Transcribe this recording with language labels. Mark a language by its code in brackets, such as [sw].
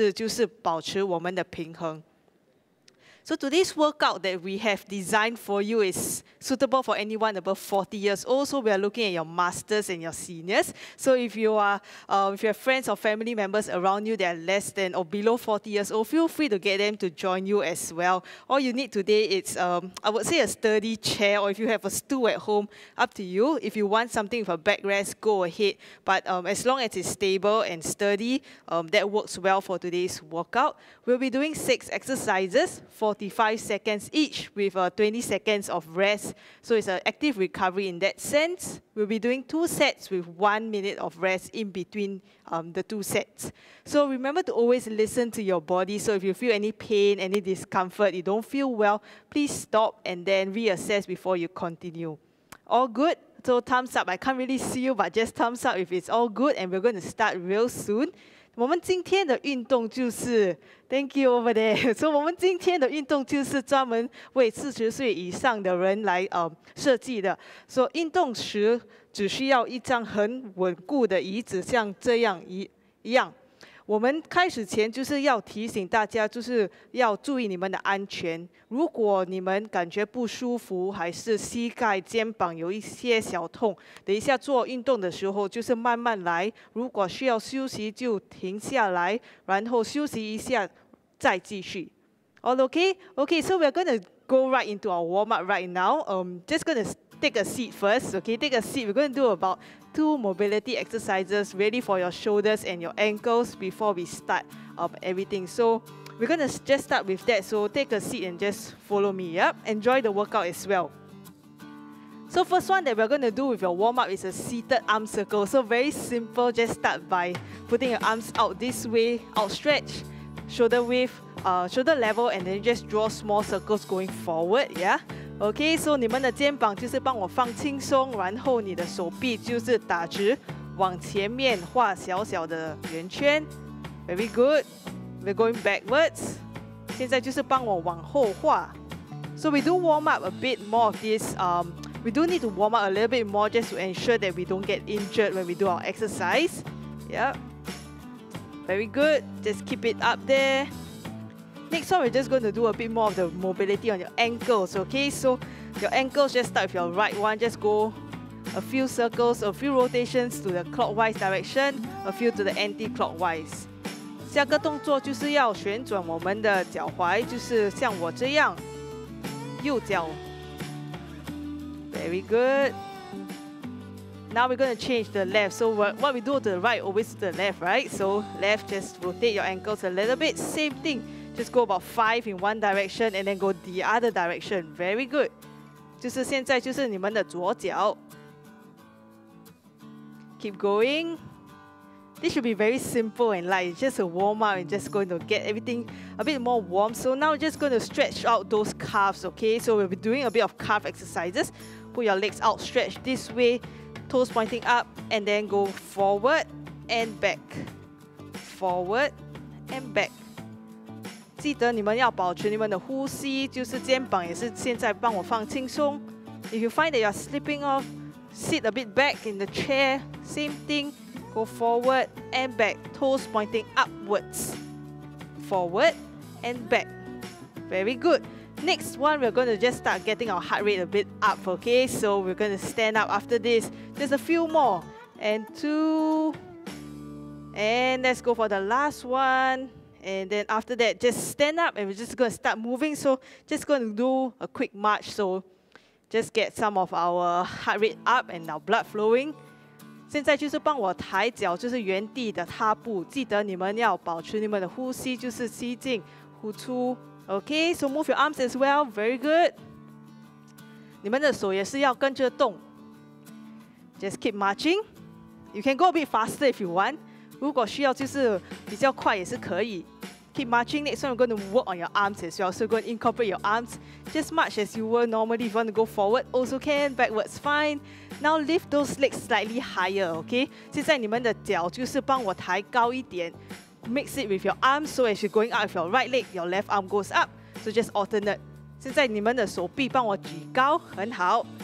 [zh] 下半身的锻炼很重要，因为它可以帮助我们的日常生活的运动和活动，就是好像爬楼梯、上下巴士，还是就是保持我们的平衡。 [en] So today's workout that we have designed for you is suitable for anyone above 40 years old. So we are looking at your masters and your seniors. So if you are, if you have friends or family members around you that are less than or below 40 years old, feel free to get them to join you as well. All you need today is, I would say a sturdy chair, or if you have a stool at home, up to you. If you want something with a backrest, go ahead. But as long as it's stable and sturdy, that works well for today's workout. We'll be doing 6 exercises for 45 seconds each with 20 seconds of rest. So it's an active recovery in that sense. We'll be doing 2 sets with 1 minute of rest in between the 2 sets. So remember to always listen to your body. So if you feel any pain, any discomfort, you don't feel well, please stop and then reassess before you continue. All good? So thumbs up. I can't really see you, but just thumbs up if it's all good, and we're going to start real soon. [zh] 我们今天的运动就是 [en] Thank you over there. [zh] So 我们今天的运动就是专门为40岁以上的人来设计的。So 运动时只需要一张很稳固的椅子，像这样一样。我们开始前就是要提醒大家，就是要注意你们的安全。如果你们感觉不舒服，还是膝盖、肩膀有一些小痛，等一下做运动的时候就是慢慢来。如果需要休息就停下来，然后休息一下。再继续, [en] all okay? Okay, so we're gonna go right into our warm up right now. Just gonna take a seat first, okay? Take a seat. We're gonna do about 2 mobility exercises, really for your shoulders and your ankles before we start everything. So we're gonna just start with that. So take a seat and just follow me. Yep, enjoy the workout as well. So first one that we're gonna do with your warm up is a seated arm circle. So very simple. Just start by putting your arms out this way, outstretch. Shoulder width, shoulder level, and then just draw small circles going forward, yeah? [zh] Okay, so 你们的肩膀就是帮我放轻松，然后你的手臂就是打直，往前面画小小的圆圈. [en] Very good. We're going backwards. [zh] 现在就是帮我往后画. [en] So we do warm up a bit more of this. We do need to warm up a little bit more just to ensure that we don't get injured when we do our exercise. Yeah. Very good, just keep it up there. Next one, we're just going to do a bit more of the mobility on your ankles, okay? So your ankles, just start with your right one. Just go a few circles, a few rotations to the clockwise direction, a few to the anti-clockwise. [zh] 下个动作就是要旋转我们的脚踝，就是像我这样，右脚. [en] Very good. Now we're going to change the left. So what we do to the right, always to the left, right? So left, just rotate your ankles a little bit. Same thing. Just go about 5 in one direction and then go the other direction. Very good. [zh] 就是现在就是你们的左脚. [en] Keep going. This should be very simple and light. It's just a warm up and just going to get everything a bit more warm. So now we're just going to stretch out those calves, okay? So we'll be doing a bit of calf exercises. Put your legs out, stretch this way. Toes pointing up, and then go forward and back. Forward and back. [zh] 记得你们要保持你们的呼吸, 就是肩膀也是现在帮我放轻松. [en] If you find that you're slipping off, sit a bit back in the chair. Same thing, go forward and back. Toes pointing upwards. forward and back. Very good. Next one, we're going to just start getting our heart rate a bit up, okay? So we're going to stand up after this. Just a few more. And two. And let's go for the last one. And then after that, just stand up and we're just going to start moving. So just going to do a quick march. So just get some of our heart rate up and our blood flowing. [zh] 现在就是帮我抬脚，就是原地的踏步。记得你们要保持你们的呼吸，就是吸进、呼出。 [en] Okay, so move your arms as well. Very good. [zh] 你们的手也是要跟着动. [en] Just keep marching. You can go a bit faster if you want. [zh] 如果需要就是比较快也是可以. [en] Keep marching. Next one, we're going to work on your arms as well. So we're going to incorporate your arms. Just march as you were normally. If you want to go forward, also can. Backwards, fine. Now lift those legs slightly higher, okay? [zh] 现在你们的脚就是帮我抬高一点. [en] Mix it with your arms, so as you're going up with your right leg, your left arm goes up. So just alternate. [zh] 现在你们的手臂帮我举高, 很好.